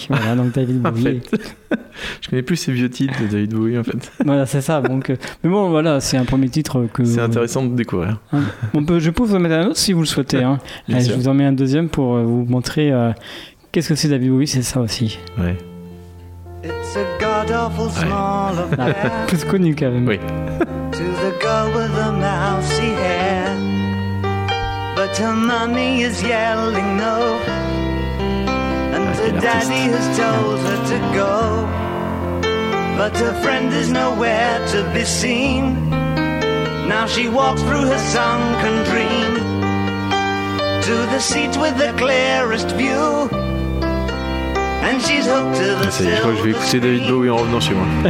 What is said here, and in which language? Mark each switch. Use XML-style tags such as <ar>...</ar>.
<fr>Voilà, donc David Bowie. En fait, je connais plus ces vieux titres de David Bowie, en fait. Voilà, c'est ça. Donc, mais bon, voilà, c'est un premier titre que... C'est intéressant de découvrir. Hein. Bon, je peux vous en mettre un autre si vous le souhaitez. Hein. Allez, je vous en mets un deuxième pour vous montrer... Qu'est-ce que c'est David Bowie, c'est ça aussi. Ouais.</fr> <en>It's a god awful small affair.</en> <fr>Plus connu quand même. Oui.</fr> <en>To the girl with the mousy hair. But her mommy is yelling no. And her daddy has told her to go. But her friend is nowhere to be seen. Now she walks through her sunken dream. To the seat with the clearest view.</en> <fr>Ça y est, je crois que je vais écouter David Bowie en revenant chez moi.</fr>